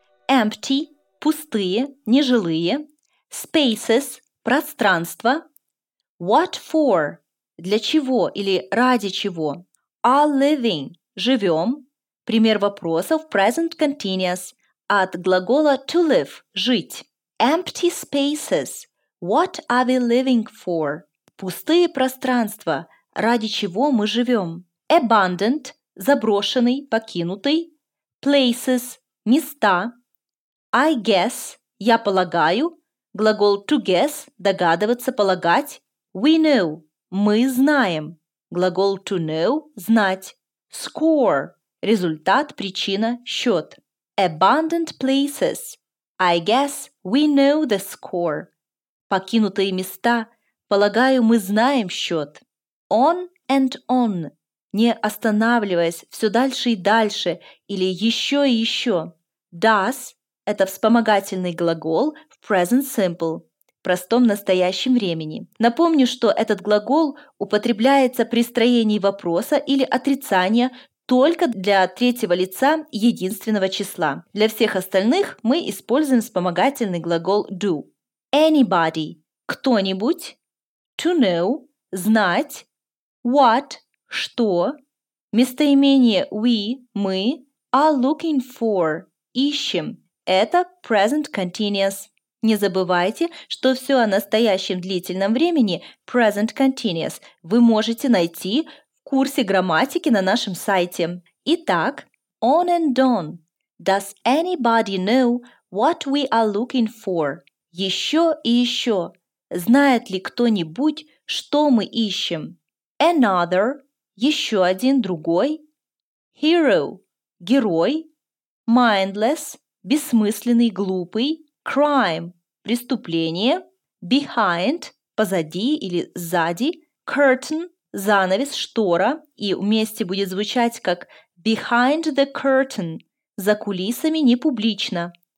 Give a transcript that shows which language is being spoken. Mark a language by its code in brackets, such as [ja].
[en] Empty [ru] – пустые, нежилые. [en] Spaces [ru] – пространство. [en] What for [ru] – для чего или ради чего. [en] Are living – [ru] живем. Пример вопроса в present continuous от глагола [en] to live [ru] – жить. [en] Empty spaces – what are we living for? [ru] Пустые пространства – ради чего мы живем. [en] Abandoned [ru] – заброшенный, покинутый. [en] Places [ru] – места. [en] I guess [ru] – я полагаю. Глагол [en] to guess [ru] – догадываться, полагать. [en] We know [ru] – мы знаем. Глагол [en] to know [ru] – знать. [en] Score [ru] – результат, причина, счет. [en] Abandoned places – I guess we know the score. [ru] Покинутые места – полагаю, мы знаем счет. [en] On and on [ru] – не останавливаясь, все дальше и дальше, или еще и еще. [en] Does [ru] – это вспомогательный глагол в present simple, в простом настоящем времени. Напомню, что этот глагол употребляется при строении вопроса или отрицания только для третьего лица единственного числа. Для всех остальных мы используем вспомогательный глагол do. [en] Anybody [ru] – кто-нибудь. [en] To know – [ru] знать. [en] What [ru] – что. Местоимение we – мы. [en] Are looking for – [ru] ищем. Это [en] present continuous. [ru] Не забывайте, что все о настоящем длительном времени present continuous вы можете найти в курсе грамматики на нашем сайте. Итак, [en] on and on. Does anybody know what we are looking for? [ru] Еще и еще. Знает ли кто-нибудь, что мы ищем? [en] Another. [ru] Еще один, другой. [en] Hero. [ru] Герой. [en] Mindless. [ru] Бессмысленный, глупый. [en] Crime. [ru] Преступление, [en] behind, [ru] позади или сзади, [en] curtain, [ru] занавес, штора, и вместе будет звучать как [en] behind the curtain, [ru] за кулисами, не публично.